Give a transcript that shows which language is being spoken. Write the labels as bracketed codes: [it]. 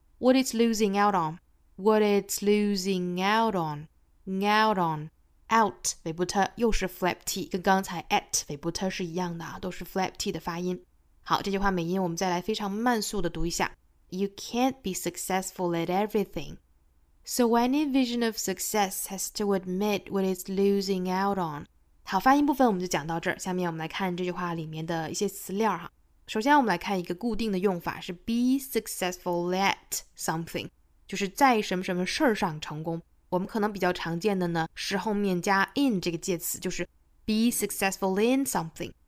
[en] What it's losing out on。 What it's losing out on, out on, out, 尾部 t 又是 flap t, 跟刚才 at, 尾部 t 是一样的，都是 flap t 的发音。 [zh] 好，这句话美音我们再来非常慢速的读一下。 [en] You can't be successful at everything. So any vision of success has to admit what it's losing out on. [zh] 好，发音部分我们就讲到这儿，下面我们来看这句话里面的一些词料哈。首先我们来看一个固定的用法是 be successful at something. 就是在什么什么事儿上成功，我们可能比较常见的呢是后面加 in 这个介词，就是 be successful in something。